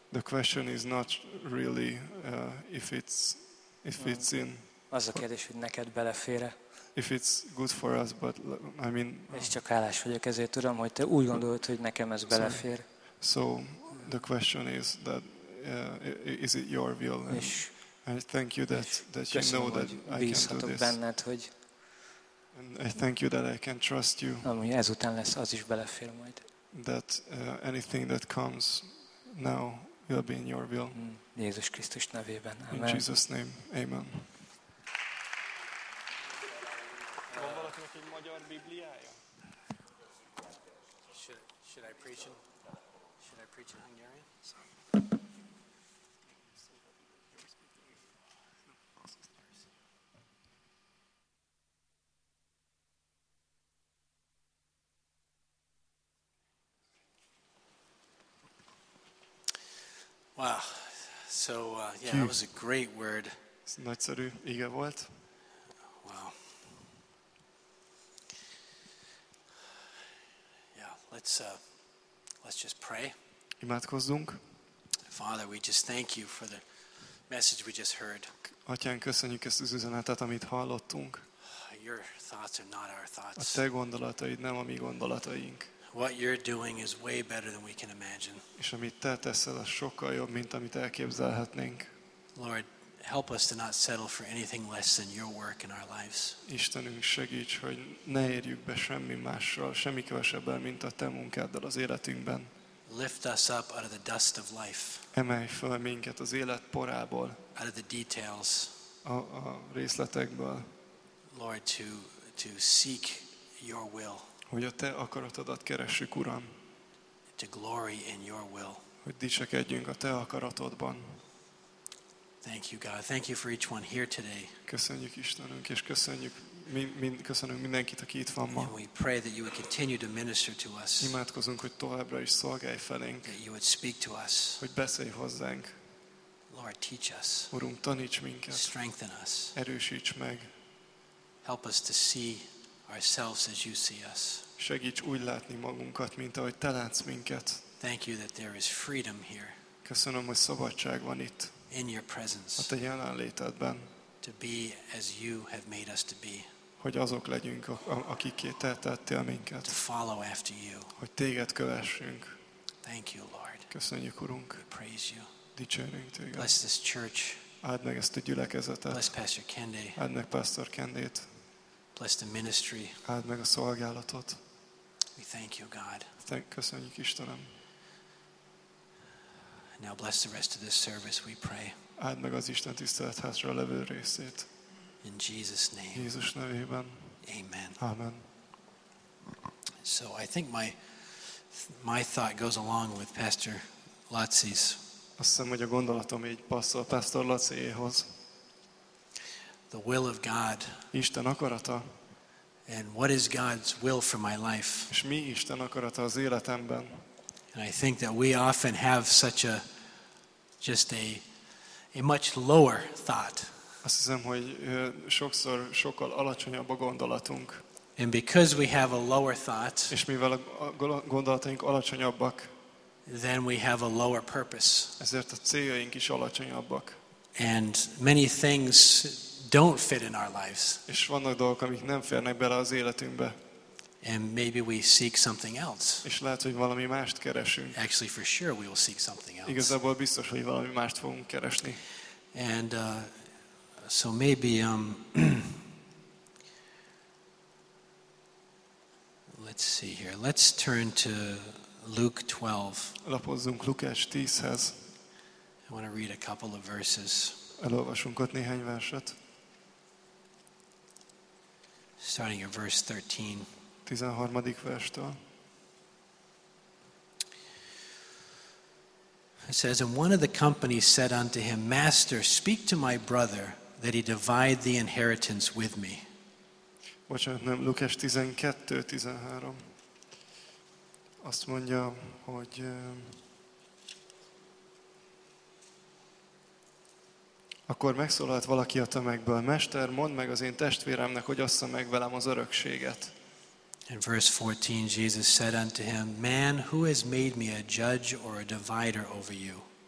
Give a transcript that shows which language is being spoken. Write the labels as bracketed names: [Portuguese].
[English] The question is not really if it's in. [Hungarian] Az a kérdés, hogy neked belefér-e. [English] If it's good for us, but I mean. [Hungarian] És csak hálás vagyok ezért, tudom, hogy te úgy gondolod, hogy nekem ez belefér. [English] So the question is that is it your will? [Hungarian] És [English] I thank you that you know that I can do this. [Hungarian] Benned, hogy [English] and I thank you that I can trust you. [Hungarian] Ami ezután lesz, az is belefér majd. [English] That anything that comes now will be in your will. [Hungarian] Jézus Krisztus nevében. [English] Amen. In Jesus' name. Amen. [Hungarian] Van valakinek egy magyar bibliája? [English] Should I preach in Hungarian? Wow, so yeah, that was a great word. [Hungarian] Nagyszerű, ige volt. [English] Wow. Yeah, let's just pray. [Hungarian] Imádkozzunk. [English] Father, we just thank you for the message we just heard. [Hungarian] Atyán, köszönjük ezt az üzenetet, amit hallottunk. [English] Your thoughts are not our thoughts. [Hungarian] A te gondolataid nem a mi gondolataink. [English] What you're doing is way better than we can imagine. [Hungarian] És amit te teszel, az sokkal jobb, mint amit elképzelhetnénk. [English] Lord, help us to not settle for anything less than your work in our lives. [Hungarian] Istenünk, segíts, hogy ne érjük be semmi mással, semmi kevesebbel, mint a te munkáddal az életünkben. [English] Lift us up out of the dust of life. [Hungarian] Emelj fel minket az élet porából. [English] Out of the details. [Hungarian] A részletekből. [English] Lord, to to seek your will. [Hungarian] Hogy a te akaratodat keressük, Uram. [English] To glory in your will. [Hungarian] Hogy dicsekedjünk a te akaratodban. [English] Thank you, God. Thank you for each one here today. [Hungarian] Köszönjük Istenünk, és köszönjük köszönünk mindenkit, aki itt van ma. [English] And we pray that you would continue to minister to us. [Hungarian] Imádkozunk, hogy továbbra is szolgálj felénk. [English] That you would speak to us. [Hungarian] Hogy beszélj hozzánk. [English] Lord, teach us. [Hungarian] Urunk, taníts minket. [English] Strengthen us. [Hungarian] Erősíts meg. [English] Help us to see ourselves as you see us. [Hungarian] Segíts úgy látni magunkat, mint ahogy te látsz minket. [English] Thank you that there is freedom here. [Hungarian] Köszönöm, hogy szabadság van itt. [English] In your presence. [Hungarian] A te jelenlétedben. [English] To be as you have made us to be. [Hungarian] Hogy azok legyünk, akikké te tettél minket. [English] To follow after you. [Hungarian] Hogy téged kövessünk. [English] Thank you, Lord. [Hungarian] Köszönjük, Urunk. [English] We praise you. [Hungarian] Dicsérünk téged. [English] Bless this church. [Hungarian] Áld meg ezt a gyülekezetet. [English] Bless Pastor Kendi. [Hungarian] Áld meg Pastor Kendit. [English] Bless the ministry. [Hungarian] Áld meg a szolgálatot. [English] We thank you, God. [Hungarian] Köszönjük, Istenem. [English] Now bless the rest of this service, we pray. [Hungarian] Áld meg az Isten tisztelet hátra levő részét. [English] In Jesus' name. [Hungarian] Jézus nevében. [English] Amen. [Hungarian] Amen. [English] So I think my thought goes along with Pastor Laci's. [Hungarian] Azt hiszem, hogy a gondolatom így passzol Pastor Laciéhoz. [English] The will of God. [Hungarian] Isten akarata. [English] And what is God's will for my life? [Hungarian] És mi Isten akarata az életemben? [English] And I think that we often have such a much lower thought. [Hungarian] Azt hiszem, hogy sokszor sokkal alacsonyabb a gondolatunk. [English] And because we have a lower thought, [Hungarian] és mivel a gondolataink alacsonyabbak, [English] then we have a lower purpose. [Hungarian] Ezért a céljaink is alacsonyabbak. [English] And many things don't fit in our lives. [Hungarian] És vannak dolgok, amik nem férnek bele az életünkbe. [English] And maybe we seek something else. [Hungarian] És lehet, hogy valami mást keresünk. [English] Actually, for sure, we will seek something else. [Hungarian] Igazából biztos, hogy valami mást fogunk keresni. [English] And so maybe let's see here. Let's turn to Luke 12. [Hungarian] Lapozzunk Lukács 10-hez. [English] I want to read a couple of verses. [Hungarian] Elolvasunk ott néhány verset. [English] Starting at verse 13. [Hungarian] 13. verstől. [English] It says, and one of the company said unto him, Master, speak to my brother, that he divide the inheritance with me. [Hungarian] Bocsánat, nem, Lukács 12:13. Azt mondja, hogy akkor megszólalt valaki a tömegből, Mester, mondd meg az én testvéremnek, hogy ossza meg velem az örökséget. [English] In verse 14, Jesus said unto him, Man, who has made me a judge or a divider over you?